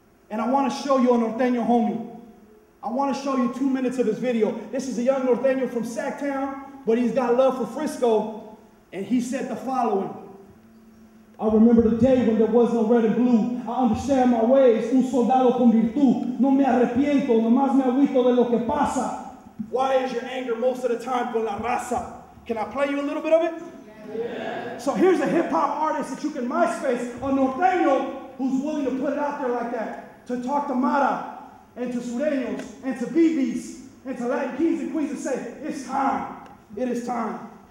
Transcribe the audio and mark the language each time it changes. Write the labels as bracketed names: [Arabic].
[English] And I want to show you a Norteño homie. I want to show you 2 minutes of his video. This is a young Norteño from Sactown, but he's got love for Frisco, and he said the following. I remember the day when there was no red and blue. I understand my ways, [Spanish] un soldado con virtud. No me arrepiento, nomás me agüito de lo que pasa. [English] Why is your anger most of the time [Spanish] con la raza? [English] Can I play you a little bit of it? Yeah. So here's a hip-hop artist that you can MySpace, a Norteño, who's willing to put it out there like that, to talk to Mara, and to Sureños, and to BBs, and to Latin kings and queens, and say, it's time. It is time.